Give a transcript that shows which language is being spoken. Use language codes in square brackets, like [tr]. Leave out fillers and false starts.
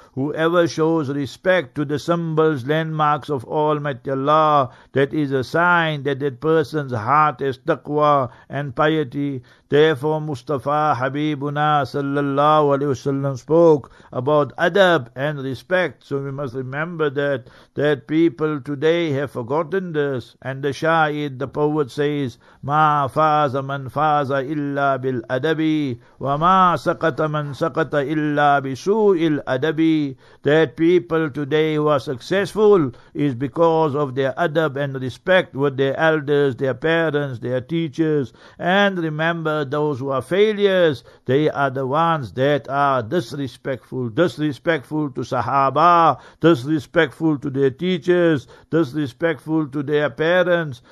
[en] Whoever shows respect to the symbols, landmarks of Almighty Allah, that is a sign that that person's heart is taqwa and piety. Therefore, Mustafa Habibuna sallallahu alayhi wasallam spoke about adab and respect. So we must remember that people today have forgotten this. And the Shaid, the poet, says, [ar] مَا فَازَ مَنْ فَازَ إِلَّا إلا بالأدب وما سقط من سقط إلا بسوء الأدب. [en] That people today who are successful is because of their adab and respect with their elders, their parents, their teachers. And remember, those who are failures, they are the ones that are disrespectful. Disrespectful to Sahaba, disrespectful to their teachers, disrespectful to their parents.